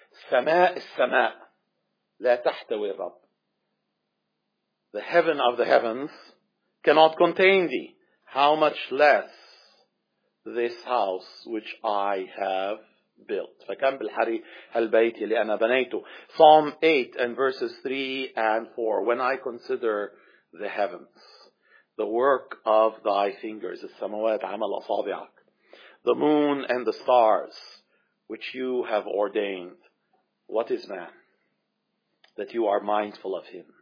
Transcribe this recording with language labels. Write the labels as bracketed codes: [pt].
[ar] سماء السماء لا تحتوي الرب. [en] The heaven of the heavens cannot contain thee. How much less this house which I have built. [ar] فكم بالحري هالبيت اللي أنا بنيته. [en] Psalm 8 and verses 3 and 4. When I consider the heavens, the work of thy fingers, [ar] السماوات عمل أصابعك, [en] the moon and the stars which you have ordained, what is man that you are mindful of him?